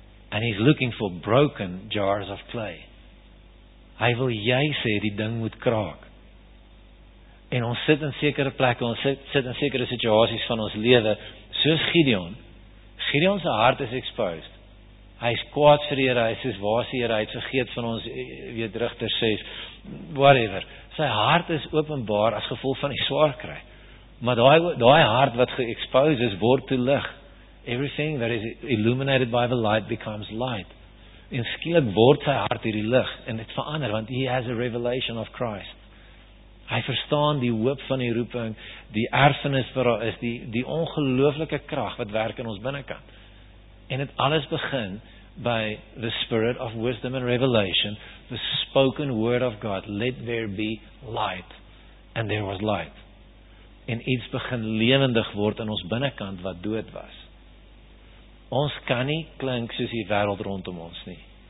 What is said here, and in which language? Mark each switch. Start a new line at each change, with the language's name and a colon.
English: And he's looking for broken jars of clay.
Afrikaans: Hy wil jy sê, die ding moet kraak. En ons sit in sekere plekke, ons sit in sekere situasies van ons lewe, soos Gideon. Gideon se hart is exposed. Hy is kwaad vir die Here, hy sê, waar is die Here, hy het vergeet van ons, weet Rigter 6, whatever. Sy hart is openbaar as gevolg van die swaar kry. Maar daai hart wat ge-expose is, word toe lig.
English: Everything that is illuminated by the light becomes light.
Afrikaans: En skielik word sy hart hierdie lig en dit verander, want
English: he has a revelation of Christ.
Afrikaans: Hy verstaan die hoop van die roeping, die erfenis wat daar is, die ongelooflike krag wat werk in ons binnekant. En dit alles begin
English: by the spirit of wisdom and revelation, the spoken word of God, let there be light, and there was light.
Afrikaans: En iets begin lewendig word in ons binnekant wat dood was. Ons kan nie klink soos die wêreld rondom ons nie.